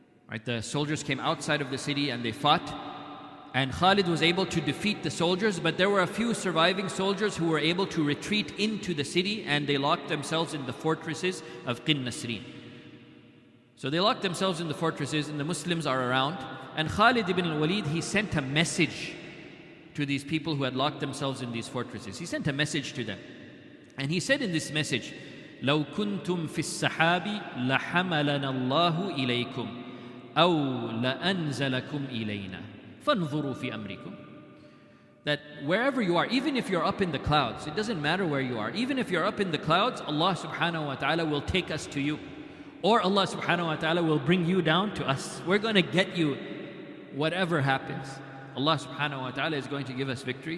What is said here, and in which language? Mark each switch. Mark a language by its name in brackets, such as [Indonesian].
[English] Right, the soldiers came outside of the city and they fought. And Khalid was able to defeat the soldiers, but there were a few surviving soldiers who were able to retreat into the city, and they locked themselves in the fortresses of Qin Nasrin. So they locked themselves in the fortresses, and the Muslims are around. And Khalid ibn al-Walid, he sent a message to these people who had locked themselves in these fortresses. He sent a message to them. [Arabic] And he said in this message, لَوْ كُنْتُمْ فِي السَّحَابِ لَحَمَلَنَا اللَّهُ إِلَيْكُمْ أَوْ لَأَنْزَلَكُمْ إِلَيْنَا فَانْظُرُوا فِي أَمْرِكُمْ. [English] That wherever you are, even if you're up in the clouds, it doesn't matter where you are, even if you're up in the clouds, Allah subhanahu wa ta'ala will take us to you. Or Allah subhanahu wa ta'ala will bring you down to us. We're going to get you whatever happens. Allah subhanahu wa ta'ala is going to give us victory.